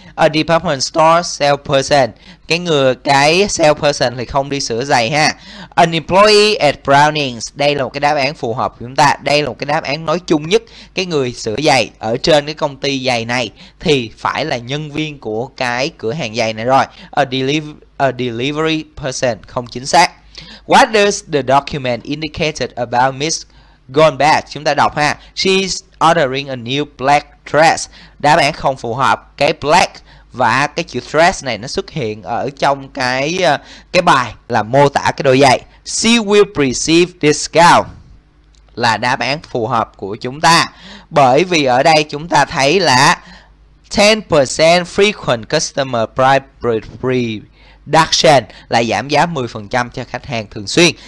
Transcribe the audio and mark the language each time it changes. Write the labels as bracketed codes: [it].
[en] A department store salesperson, [vi] cái salesperson thì không đi sửa giày ha. [en] An employee at Browning's, [vi] đây là một cái đáp án phù hợp của chúng ta. Đây là một cái đáp án nói chung nhất. Cái người sửa giày ở trên cái công ty giày này thì phải là nhân viên của cái cửa hàng giày này rồi. [en] A delivery person, [vi] không chính xác. [en] What does the document indicated about Miss Goldbat? [vi] Chúng ta đọc ha. [en] She's ordering a new black dress. [vi] Đáp án không phù hợp. Cái black và cái chữ dress này nó xuất hiện ở trong cái bài là mô tả cái đôi giày. [en] She will receive discount [vi] là đáp án phù hợp của chúng ta. Bởi vì ở đây chúng ta thấy là 10% [en] frequent customer price reduction [vi] là giảm giá 10% cho khách hàng thường xuyên.